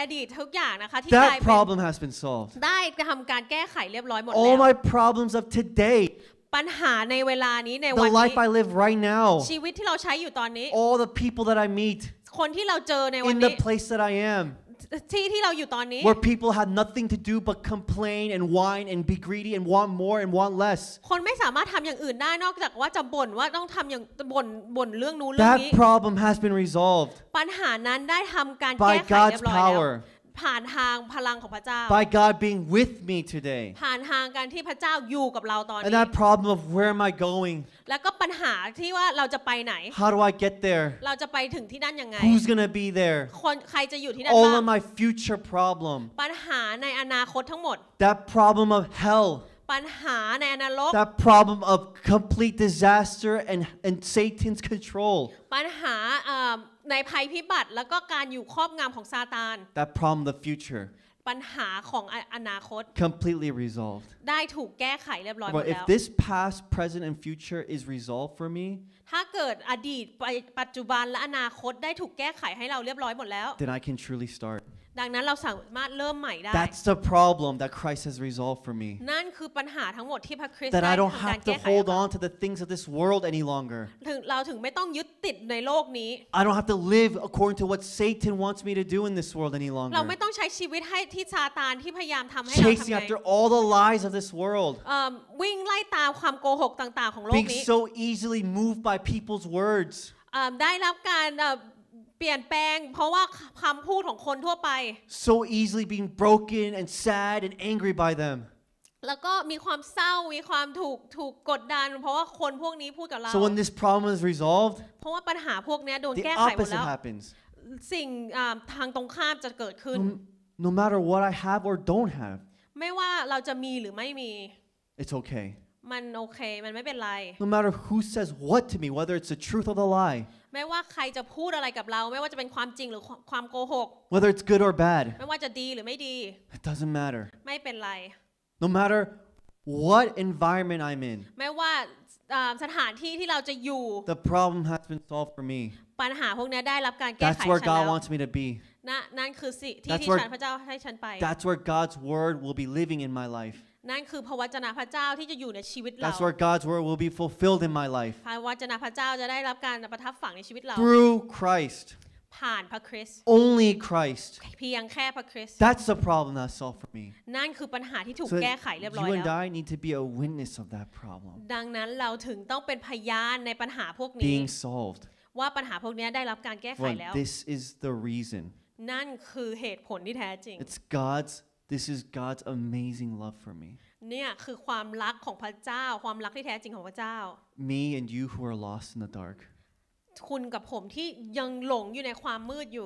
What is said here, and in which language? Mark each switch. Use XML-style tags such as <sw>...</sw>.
<en>That problem has been solved. All my problems of today.</en> <th>ปัญหาในเวลานี้ในวัน นี้</th> <en>The life I live right now</en> <th>ชีวิตที่เราใช้อยู่ตอนนี้</th> <en>All the people that I meet</en> <th>คนที่เราเจอในวันนี้</th> <en>In the place that I am</en> <th>ที่เราอยู่ตอนนี้</th> <en>Where people have nothing to do but complain and whine and be greedy and want more and want less</en> <th>คนไม่สามารถทำอย่างอื่นได้นอกจากว่าจะบ่นว่าต้องทำอย่างบ่นเรื่องนู้นเรื่อง นี้</th> <en>That problem has been resolved</en> <th>ปัญหานั้นได้ทำการแก้ไขเรียบร้อยแล้ว</th> <en>By God's power</en> <th>ผ่านทางพลังของพระเจ้า</th> <en>By God being with me today</en> <th>ผ่านทางการที่พระเจ้าอยู่กับเราตอนนี้</th> <en>And that problem of where am I going</en> <th>แล้วก็ปัญหาที่ว่าเราจะไปไหน</th> <en>How do I get there</en> <th>เราจะไปถึงที่นั่นยังไง</th> <en>Who's gonna be there</en> <th>คนใครจะอยู่ที่นั่นบ้ าง</th> <en>All of my future problem</en> <th>ปัญหาในอนาคตทั้งหมด</th> <en>That problem of hell</en> <th>ปัญหาในนรก</th> <en>That problem of complete disaster and Satan's control</en> <th>ปัญหาในภัยพิบัติแล้วก็การอยู่ครอบงำของซาตาน</th> <en>That problem the future</en> <th>ปัญหาของอนาคต</th> <en>completely resolved</en> <th>ได้ถูกแก้ไขเรียบร้อยแล้ว</th> <en>But if this past present and future is resolved for me</en> <th>ถ้าเกิดอดีตปัจจุบันและอนาคตได้ถูกแก้ไขให้เราเรียบร้อยหมดแล้ว</th> <en>Then I can truly start</en> <th>ดังนั้นเราสามารถเริ่มใหม่ได้</th> <en>That's the problem that Christ has resolved for me</en> <th>นั่นคือปัญหาทั้งหมดที่พระคริส ต์ได้</th> <en>That I don't have to hold on to the things of this world any longer</en> <th>เราถึงไม่ต้องยึดติดในโลกนี้</th> <en>I don't have to live according to what Satan wants me to do in this world any longer</en> <th>เราไม่ต้องใช้ชีวิตให้ที่ซาตานที่พยายามทําให้เรา ทําไง</th> <en>Chasing after all the lies of this world</en> <th>วิ่งไล่ตามความโกหกต่างๆของโลกนี้</th> <en>Being so easily moved by people's words</en> <th>ได้รับการเปลี่ยนแปลงเพราะว่าคำพูดของคนทั่วไป</th> <en>so easily being broken and sad and angry by them</en> <th>แล้วก็มีความเศร้ามีความถูกกดดันเพราะว่าคนพวกนี้พูดกับเรา</th> <en>so when this problem is resolved</en> <th>เพราะว่าปัญหาพวกนี้โดนแก้ไข หมดแล้ว</th> <en>the opposite happens</en> <th>สิ่งทางตรงข้ามจะเกิดขึ้น</th> <en>no matter what I have or don't have</en> <th>ไม่ว่าเราจะมีหรือไม่มี</th> <en>it's okay</en> <th>มันโอเคมันไม่เป็นไร</th> <en>no matter who says what to me whether it's the truth or the lie</en> <th>ไม่ว่าใครจะพูดอะไรกับเราไม่ว่าจะเป็นความจริงหรือความโกหก</th> <en>Whether it's good or bad</en> <th>ไม่ว่าจะดีหรือไม่ดี</th> <en>It doesn't matter</en> <th>ไม่เป็นไร</th> <en>No matter what environment I'm in</en> <th>ไม่ว่าสถานที่ที่เราจะอยู่</th> <en>The problem has been solved for me</en> <th>ปัญหาพวกนี้ได้รับการแก้ไข แล้ว</th> <en>That's where God wants me to be</en> <th>นั่นคือสิ่งที่พระเจ้าให้ฉันไป</th> <en>That's where God's word will be living in my life</en> <th>นั่นคือพระวจนะพระเจ้าที่จะอยู่ในชีวิตเรา</th> <en>That's where God's word will be fulfilled in my life.</en> <th>พระวจนะพระเจ้าจะได้รับการประทับฝังในชีวิตเรา</th> <en>Through Christ.</en> <th>ผ่านพระคริสต์</th> <en>Only Christ.</en> <th>เพียงแค่พระคริสต์</th> <en>That's the problem that's solved for me.</en> <th>นั่นคือปัญหาที่ถูกแก้ไขเรียบร้อยแล้ว</th> <en>You and I need to be a witness of that problem.</en> <th>ดังนั้นเราถึงต้องเป็นพยานในปัญหาพวกนี้</th> <en>Being solved.</en> <th>ว่าปัญหาพวกนี้ได้รับการแก้ไขแล้ว</th> <en>This is the reason.</en> <th>นั่นคือเหตุผลที่แท้จริง</th> <en>It's God'sThis is God's amazing love for me.</en> <th>เนี่ยคือความรักของพระเจ้าความรักที่แท้จริงของพระเจ้า</th> <en>Me and you who are lost in the dark.</en> <th>คุณกับผมที่ยังหลงอยู่ในความมืดอยู</th>